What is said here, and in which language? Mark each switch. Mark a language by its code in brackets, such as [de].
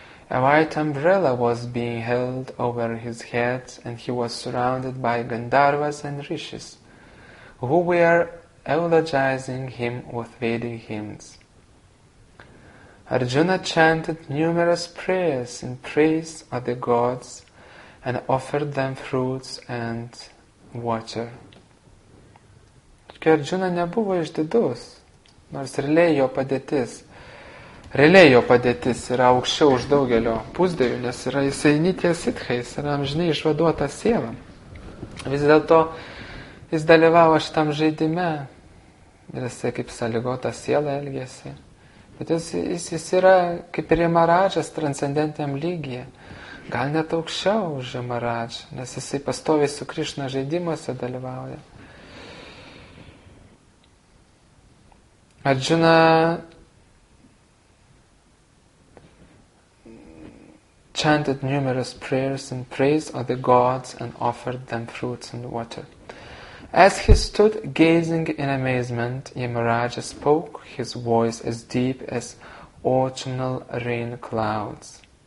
[en] A white umbrella was being held over his head and he was surrounded by Gandharvas and Rishis, who were eulogizing him with Vedic hymns. Arjuna chanted numerous prayers in praise of the gods and offered them fruits and water. [lt] Tokia Arjuna nebuvo išdidus, nors realiai jo padėtis yra aukščiau už daugelio pusdėjų, nes yra jisai nitė sitchais, yra amžinai išvaduota siela. Vis dėlto jis dalyvavo šitam žaidime ir jisai kaip sąlygota siela elgėsi. Bet jis yra kaip ir Yamaradžas transcendentiniam lygyje. Gal net aukščiau už Yamaradžą, nes jisai pastoviai su Krišna žaidimuose dalyvauja. [en] Arjuna chanted numerous prayers in praise of the gods and offered them fruits and water. As he stood gazing in amazement, Yamaraja spoke, his voice as deep as autumnal rain clouds.